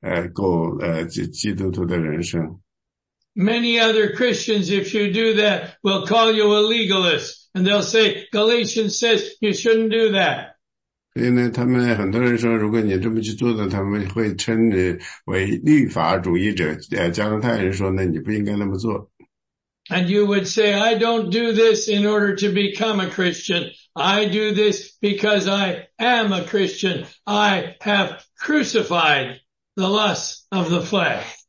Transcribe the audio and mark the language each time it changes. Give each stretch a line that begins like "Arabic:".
Chinese: 基督徒说呢,我们已经不在立法之下了,但是呢,我要制定一些规则呢,帮助我去过基督徒的人生。
English: Many other Christians, if you do that, will call you a legalist. And they'll say, Galatians says you shouldn't do that.
Chinese: 所以呢,他们很多人说,如果你这么去做呢,他们会称你为律法主义者。加拿大人说呢,你不应该那么做。
English: And you would say, I don't do this in order to become a Christian. I do this because I am a Christian. I have crucified the lusts of the flesh.